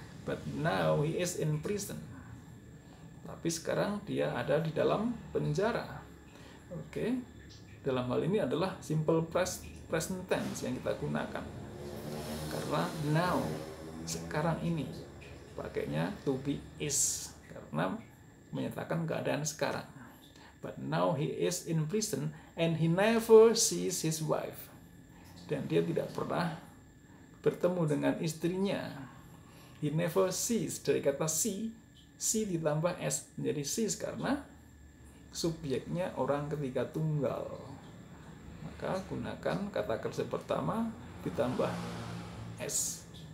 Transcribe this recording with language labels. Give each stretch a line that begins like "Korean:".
Indonesian: Tapi sekarang dia ada di dalam penjara. Oke. Dalam hal ini adalah simple present tense yang kita gunakan. Karena now, sekarang ini, pakainya to be is. Karena menyatakan keadaan sekarang.
English: But now he is in prison and he never sees his wife.
Indonesian: Dan dia tidak pernah bertemu dengan istrinya.
English: He never sees,
Indonesian: dari kata see, si ditambah s menjadi sees karena subjeknya orang ketiga tunggal. Maka gunakan kata kerja pertama ditambah s.